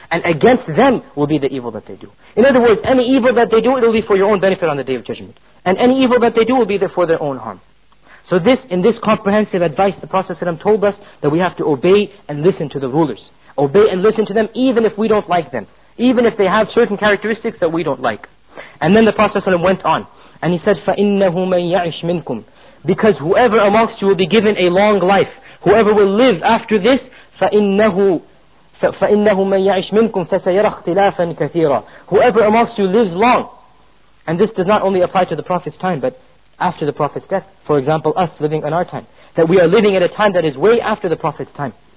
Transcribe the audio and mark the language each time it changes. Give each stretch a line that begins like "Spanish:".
English: And against them will be the evil that they do. In other words, any evil that they do, it will be for your own benefit on the Day of Judgment. And any evil that they do will be for their own harm. So in this comprehensive advice, the Prophet ﷺ told us that we have to obey and listen to the rulers. Obey and listen to them even if we don't like them. Even if they have certain characteristics that we don't like. And then the Prophet ﷺ went on. And he said,
Arabic: فَإِنَّهُ مَنْ يَعِشْ مِنْكُمْ.
English: Because whoever amongst you will be given a long life, whoever will live after this,
Arabic: فَإِنَّهُ مَنْ يَعِشْ مِنْكُمْ فَسَيَرَ اخْتِلَافًا كَثِيرًا.
English: Whoever amongst you lives long. And this does not only apply to the Prophet's time, but after the Prophet's death, for example, us living in our time, that we are living at a time that is way after the Prophet's time.